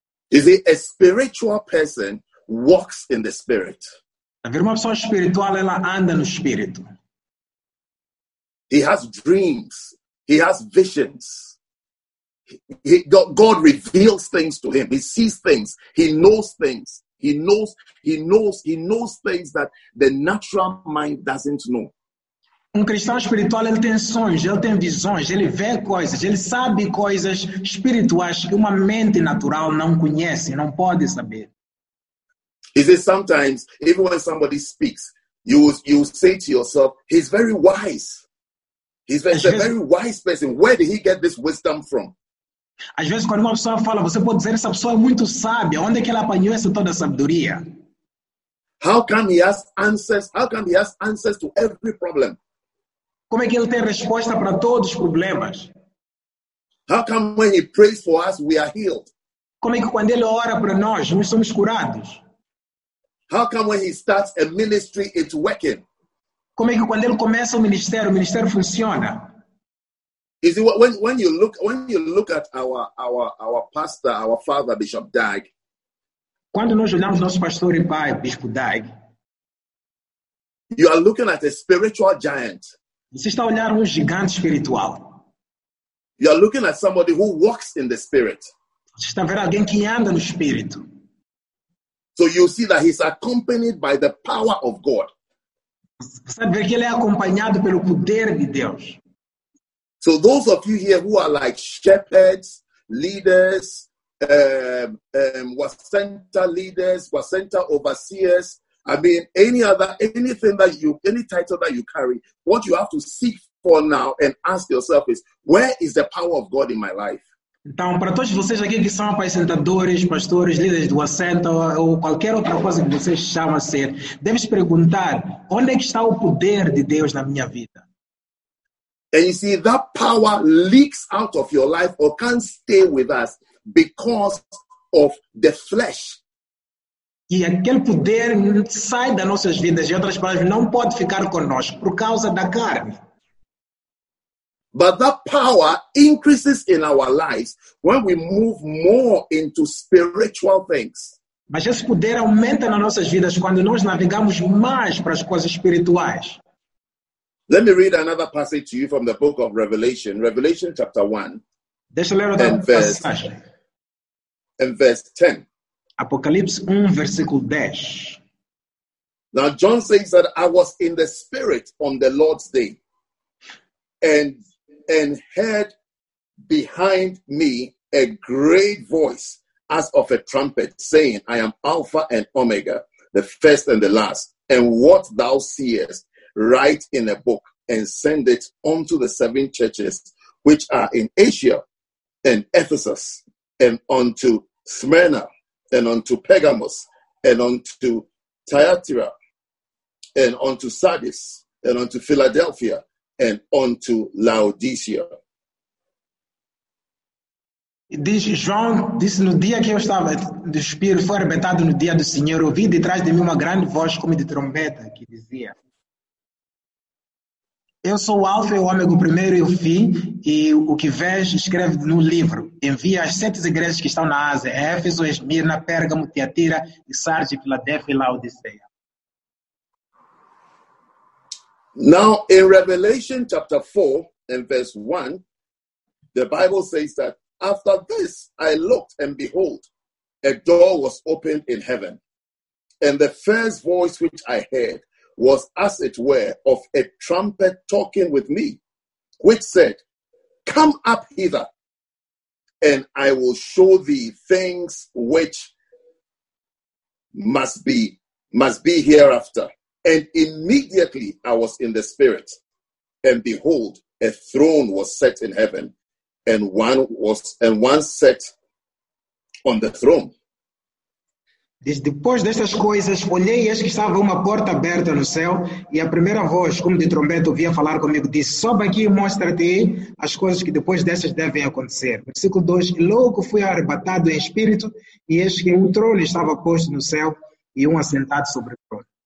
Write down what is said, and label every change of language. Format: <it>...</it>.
<en>Is it a spiritual person walks in the Spirit?</en> <pt>Uma pessoa espiritual, ela anda no Espírito.</pt> <en>He has dreams. He has visions. God reveals things to him. He sees things. He knows things. He knows things that the natural mind doesn't know.</en> <pt>Cristão espiritual, ele tem sonhos, ele tem visões, ele vê coisas, ele sabe coisas espirituais que uma mente natural não conhece, não pode saber.</pt> <en>He says sometimes, even when somebody speaks, you say to yourself, he's very wise. He's a very wise person. Where did he get this wisdom from?</en> <pt>Às vezes, quando uma pessoa fala, você pode dizer, essa pessoa é muito sábia. Onde é que ela apanhou essa toda sabedoria?</pt> <en>How come he has answers? How come he has answers to every problem?</en> <pt>Como é que ele tem resposta para todos os problemas?</pt> <en>How come when he prays for us, we are healed?</en> <pt>Como é que quando ele ora para nós, nós somos curados?</pt> <en>How come when he starts a ministry, it's working?</en> <pt>Como é que quando ele começa o ministério funciona?</pt> <en>Is it when you look at our pastor, our father, Bishop Dag?</en> <pt>Quando nós olhamos nosso pastor e pai, Bispo Dag,</pt> <en>you are looking at a spiritual giant.</en> <pt>Você está olhando um gigante espiritual.</pt> <en>You are looking at somebody who walks in the spirit.</en> <pt>Você está vendo alguém que anda no espírito.</pt> <en>So you see that he's accompanied by the power of God.</en> <pt>Você vê que ele é acompanhado pelo poder de Deus.</pt> <en>So those of you here who are like shepherds, leaders, wasenta leaders, wasenta overseers, I mean any title that you carry, what you have to seek for now and ask yourself is, where is the power of God in my life?</en> <pt>Então, para todos vocês aqui que são apacentadores, pastores, líderes do assento ou qualquer outra coisa que vocês chamam a ser, deves perguntar, onde é que está o poder de Deus na minha vida?</pt> <en>And you see, that power leaks out of your life or can't stay with us because of the flesh.</en> <pt>E aquele poder sai das nossas vidas, de outras palavras, não pode ficar conosco por causa da carne.</pt> <en>But that power increases in our lives when we move more into spiritual things.</en> <pt>Mas esse poder aumenta nas nossas vidas quando nós navegamos mais para as coisas espirituais.</pt> <en>Let me read another passage to you from the book of Revelation. Revelation chapter 1.</en> <pt>Deixa eu ler outra passagem.</pt> <en>And verse 10.</en> <pt>Apocalipse 1, versículo 10.</pt> <en>Now John says that I was in the spirit on the Lord's day. And heard behind me a great voice as of a trumpet saying, I am Alpha and Omega, the first and the last, and what thou seest, write in a book and send it unto the seven churches which are in Asia, and Ephesus, and unto Smyrna, and unto Pergamos, and unto Thyatira, and unto Sardis, and unto Philadelphia, and unto Laodicea.</en> <pt>Diz João, disse no dia que eu estava do Espírito, foi arrebentado no dia do Senhor, ouvi detrás de mim uma grande voz como de trombeta, que dizia: eu sou o Alfa e o Ômega, o primeiro e o fim, e o que vês, escreve no livro. Envia as sete igrejas que estão na Ásia: Éfeso, Esmirna, Pérgamo, Tiatira, Sardes, Filadélfia e Laodiceia.</pt> <en>Now, in Revelation chapter 4 and verse 1, the Bible says that after this, I looked, and behold, a door was opened in heaven. And the first voice which I heard was as it were of a trumpet talking with me, which said, come up hither, and I will show thee things which must be hereafter. And immediately I was in the spirit, and behold, a throne was set in heaven, and one sat on the throne.</en> <pt>Depois destas coisas, olhei e eis que estava uma porta aberta no céu, e a primeira voz, como de trombeta, ouvia falar comigo, disse: sobe aqui e mostra-te as coisas que depois destas devem acontecer. Versículo 2: logo fui arrebatado em espírito, e eis que um trono estava posto no céu, e um assentado sobre o trono.</pt>